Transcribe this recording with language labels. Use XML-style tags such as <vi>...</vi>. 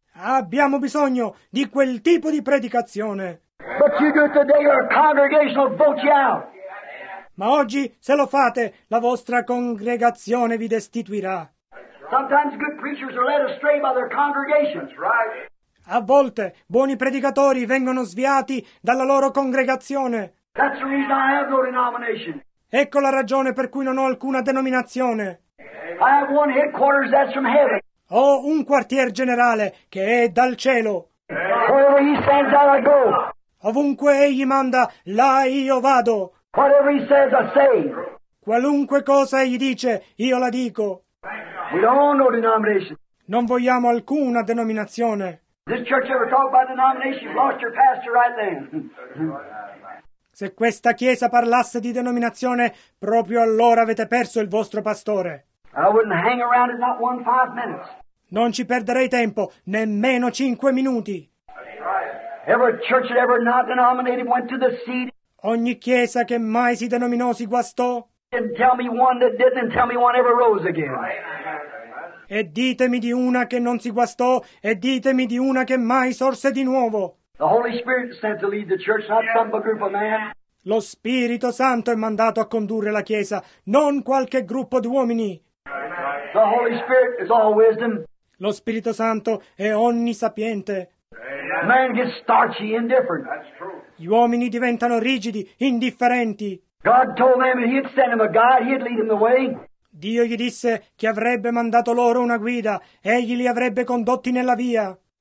<it>Abbiamo bisogno di quel tipo di predicazione.</it> <en>But you do it today or a congregation will vote you out.</en> <it>Ma oggi, se lo fate, la vostra congregazione vi destituirà.</it> <en>Sometimes good preachers are led astray by their congregations.</en> <it>A volte, buoni predicatori vengono sviati dalla loro congregazione.</it> <en>That's the reason I have no denomination.</en> <it>Ecco la ragione per cui non ho alcuna denominazione.</it> <en>I have one headquarters that's from heaven.</en> <it>Ho un quartier generale che è dal cielo.</it> <en>Wherever he sends out, I go.</en> <it>Ovunque egli manda, là io vado.</it> <en>Whatever he says, I say.</en> <it>Qualunque cosa egli dice, io la dico.</it> <en>We don't want no denomination.</en> <it>Non vogliamo alcuna denominazione.</it> <en>This church ever talk about denomination, you've lost your pastor right then.</en> <it>Se questa chiesa parlasse di denominazione, proprio allora avete perso il vostro pastore.</it> <en>I wouldn't hang around in not one 5 minutes.</en> <it>Non ci perderei tempo, nemmeno 5 minuti.</it> <en>Every church that ever not denominated went to the seed.</en> <it>Ogni chiesa che mai si denominò si guastò.</it> <en>And tell me one that didn't, and tell me one ever rose again.</en> <it>E ditemi di una che non si guastò, e ditemi di una che mai sorse di nuovo.</it> <en>The Holy Spirit sent to lead the church, not some group of men.</en> <it>Lo Spirito Santo è mandato a condurre la Chiesa, non qualche gruppo di uomini.</it> <en>The Holy Spirit is all wisdom.</en> <it>Lo Spirito Santo è onnisapiente.</it> <en>Man gets starchy, indifferent. That's true.</en> <it>Gli uomini diventano rigidi, indifferenti.</it> <en>God told them and he'd send them a guide, he'd lead them the way.</en> <it>Dio gli disse che avrebbe mandato loro una guida, egli li avrebbe condotti nella via.</it>